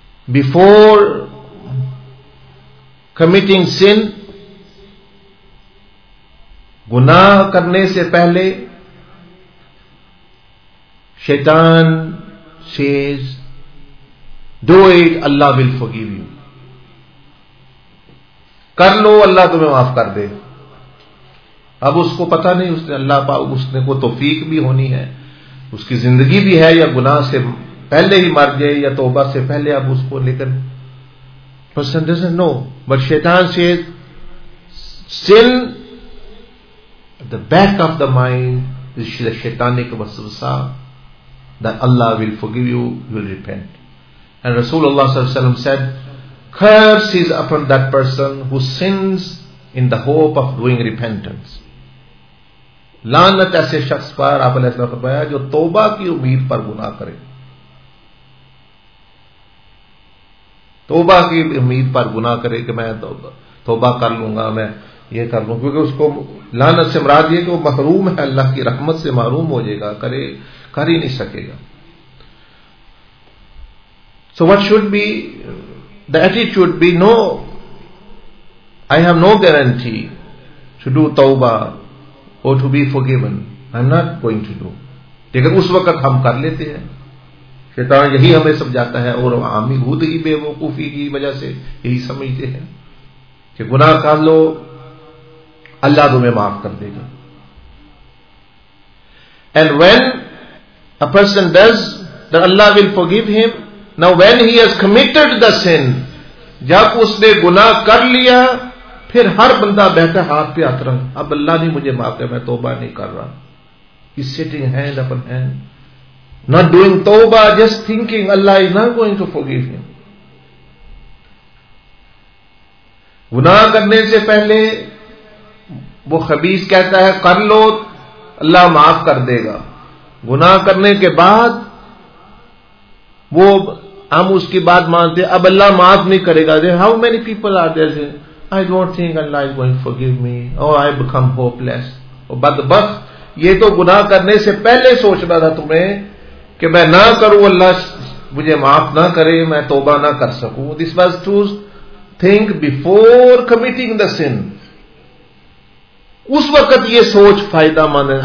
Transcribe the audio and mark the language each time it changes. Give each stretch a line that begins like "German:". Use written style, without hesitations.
English: Before committing sin,
Urdu: گناہ کرنے سے پہلے,
English: شیطان says, do it, Allah will forgive you.
Urdu: کر لو, اللہ تمہیں معاف کر دے. اب اس کو پتہ نہیں, اس نے اللہ پاک, اس نے کو توفیق بھی ہونی ہے, اس کی زندگی بھی ہے, یا گناہ سے پہلے ہی مر جائے یا توبہ سے پہلے. اب اس کو, لیکن
English: person doesn't know, but شیطان says, still at the back of the mind is the shaitanic waswasa that Allah will forgive you, you will repent. And Rasulullah صلی اللہ علیہ وسلم said, curse is upon that person who sins in the hope of doing repentance.
Urdu: لانت ایسے شخص پر, آپ علیہ السلام فرمایا, جو توبہ کی امید پر گناہ کرے. توبہ کی امید پر گناہ کرے کہ میں توبہ کر لوں گا, میں یہ کر لوں, کیونکہ اس کو لانت سے مراد یہ کہ وہ محروم ہے, اللہ کی رحمت سے محروم ہو جائے گا, کرے کر ہی نہیں سکے گا.
English: So what should be the attitude be, no, I have no guarantee to do tawbah or to be forgiven. I'm not going to do.
Urdu: لیکن اس وقت ہم کر لیتے ہیں, شیطان یہی ہمیں سمجھاتا ہے, اور عامی خود ہی بے وقوفی کی وجہ سے یہی سمجھتے ہیں کہ گناہ کر لو, اللہ تمہیں معاف کر دے گا.
English: And when a person does that, Allah will forgive him. Now when he has committed the sin,
Urdu: جب اس نے گناہ کر لیا, پھر ہر بندہ بیٹھا ہاتھ پہ ہاتھ رنگ, اب اللہ نے مجھے معاف کیا, میں توبہ نہیں کر رہا.
English: He's sitting hand upon hand, not doing توبہ, just thinking Allah is not going to forgive him.
Urdu: گناہ کرنے سے پہلے وہ خبیث کہتا ہے کر لو, اللہ معاف کر دے گا. گناہ کرنے کے بعد وہ, ہم اس کی بات مانتے, اب اللہ معاف نہیں کرے گا.
English: How many people are there saying, I don't think Allah is going to forgive me, or I become hopeless.
Urdu: But the bus, یہ تو گناہ کرنے سے پہلے سوچنا تھا تمہیں کہ میں نہ کروں, اللہ مجھے معاف نہ کرے, میں توبہ نہ کر سکوں.
English: This was to think before committing the sin.
Urdu: اس وقت یہ سوچ فائدہ مند ہے.